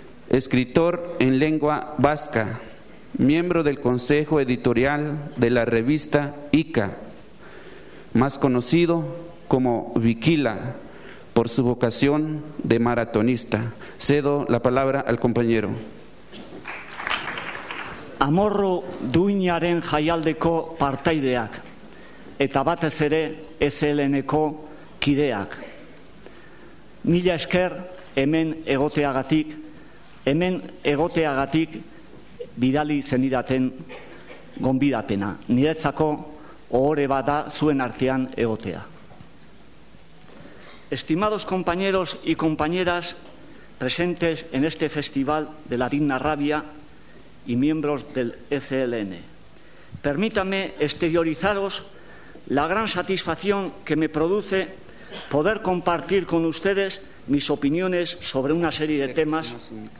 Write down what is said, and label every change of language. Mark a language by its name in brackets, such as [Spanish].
[Spanish] escritor en lengua vasca, miembro del consejo editorial de la revista ICA, más conocido como Viquila, por su vocación de maratonista. Cedo la palabra al compañero. [Basque] Amorru duinaren jaialdeko partaideak, eta batez ere SLN-ko kideak. Mila esker hemen egoteagatik, bidali zenidaten gonbidapena. Niretzako ohore bada zuen artean egotea. [Spanish] Estimados compañeros y compañeras presentes en este festival de la digna rabia y miembros del SLN, permítame exteriorizaros la gran satisfacción que me produce poder compartir con ustedes mis opiniones sobre una serie de temas